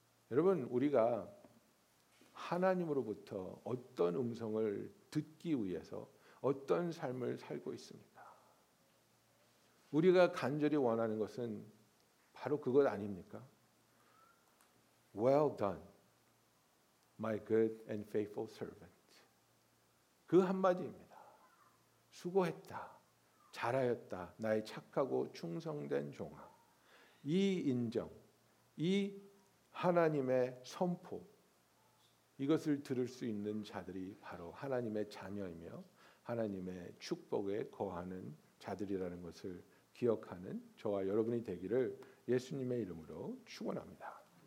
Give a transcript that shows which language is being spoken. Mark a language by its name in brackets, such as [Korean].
[Korean] 여러분, 우리가 하나님으로부터 어떤 음성을 듣기 위해서 어떤 삶을 살고 있습니까? 우리가 간절히 원하는 것은 바로 그것 아닙니까? [English] Well done, my good and faithful servant. [Korean] 그 한마디입니다. 수고했다, 잘하였다, 나의 착하고 충성된 종아. 이 인정, 이 하나님의 선포, 이것을 들을 수 있는 자들이 바로 하나님의 자녀이며 하나님의 축복에 거하는 자들이라는 것을 기억하는 저와 여러분이 되기를 예수님의 이름으로 축원합니다.